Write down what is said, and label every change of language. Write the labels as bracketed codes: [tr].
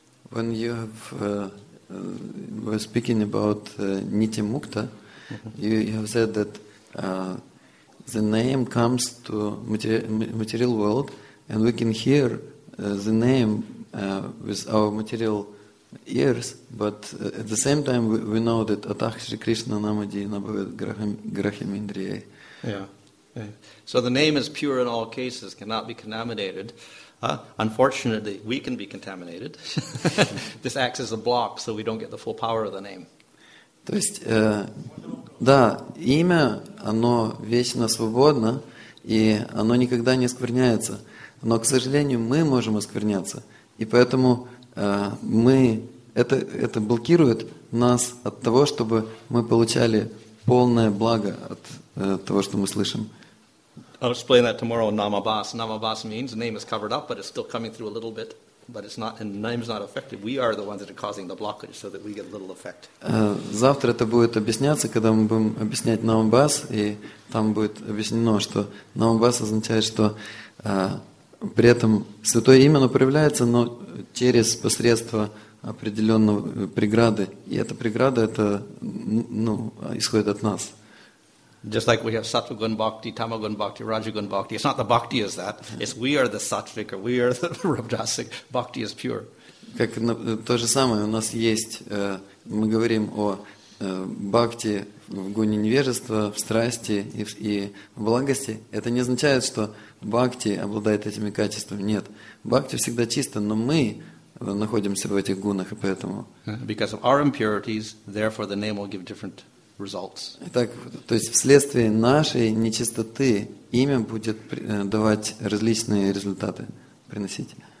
[en] When you have were speaking about Nitya Mukta, you have said that the name comes to material world, and we can hear the name with our material ears, but at the same time we know that Atah Shri Krishna Namadhi Nabhavet Graham Indriyai. Yeah. So the name is pure in all cases, cannot be contaminated. Unfortunately, we can be contaminated. This acts as a block, so we don't get the full power of the name. [ru] То есть, да, имя, оно вечно свободно, и оно никогда не оскверняется. Но, к сожалению, мы можем оскверняться. И поэтому это блокирует нас от того, чтобы мы получали полное благо от того, что мы слышим. [en] I'll explain that tomorrow on Namabhas. Namabhas means the name is covered up, but it's still coming through a little bit. But it's not, and the name is not affected. We are the ones that are causing the blockage, so that we get a little effect. [ru] Завтра это будет объясняться, когда мы будем объяснять Намабас, и там будет объяснено, что Намабас означает, что при этом святое имя проявляется, но через посредство определенного преграды. И эта преграда, это, ну, исходит от нас. [en] Just like we have sattvagun bhakti, tamagun bhakti, rajagun bhakti. It's not the bhakti is that. It's we are the sattvika, we are the rajasic. Bhakti is pure. [ru] Как то же самое у нас есть, мы говорим о бхакти в гуне невежества, в страсти и в благости. Это не означает, что бхакти обладает этими качествами. Нет. Бхакти всегда чисто, но мы находимся в этих гунах, и поэтому... [en] Because of our impurities, therefore the name will give different... results. [ru] Итак, то есть вследствие нашей нечистоты имя будет давать различные результаты, приносить.